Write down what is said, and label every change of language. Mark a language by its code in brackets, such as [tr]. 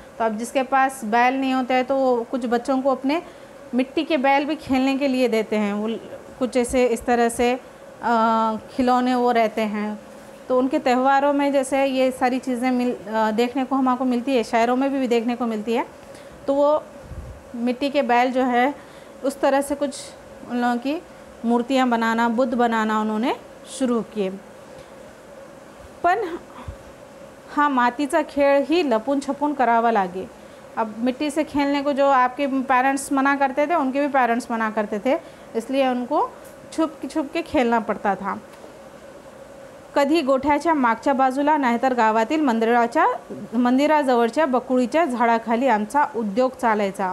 [hi] तो अब जिसके पास बैल नहीं होते हैं तो वो कुछ बच्चों को अपने मिट्टी के बैल भी खेलने के लिए देते हैं, वो कुछ ऐसे इस तरह से खिलौने वो रहते हैं। तो उनके त्यौहारों में जैसे ये सारी चीज़ें देखने को हमको मिलती है, शहरों में भी देखने को मिलती है, तो वो मिट्टी के बैल जो है उस तरह से कुछ उन लोगों की मूर्तियाँ बनाना, बुद्ध बनाना उन्होंने शुरू किए। [mr] पन हाँ मातीचा खेल ही लपून छपून करावा लागे। [hi] अब मिट्टी से खेलने को जो आपके पेरेंट्स मना करते थे उनके भी पेरेंट्स मना करते थे, इसलिए उनको छुप के खेलना पड़ता था। [mr] कधी गोठ्याच्या मागच्या बाजूला नाहीतर गावातील मंदिराजवळच्या बकुळीच्या झाडाखाली आमचा उद्योग चालायचा।